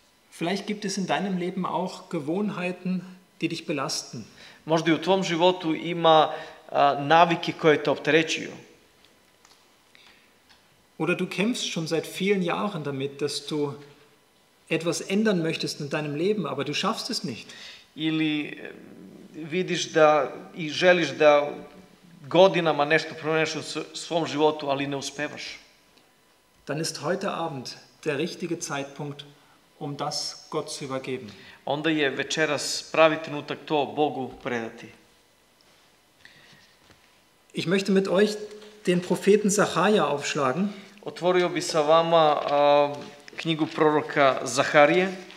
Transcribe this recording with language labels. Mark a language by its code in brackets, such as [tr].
[de] Vielleicht gibt es in deinem Leben auch Gewohnheiten, die dich belasten. [sr] Možda i u tvom životu ima navike koje te opterećuju. [de] Oder du kämpfst schon seit vielen Jahren damit, dass du etwas ändern möchtest in deinem Leben, aber du schaffst es nicht. [sr] Ili vidiš da i želiš da godinama nešto promeniš u svom životu, ali ne uspevaš. [de] Dann ist heute Abend der richtige Zeitpunkt, um das Gott zu übergeben. [sr] Onda je večeras pravi trenutak to Bogu predati. [de] Ich möchte mit euch den Propheten Zacharja aufschlagen. [sr] Otvorio bi sa vama knjigu proroka Zacharije.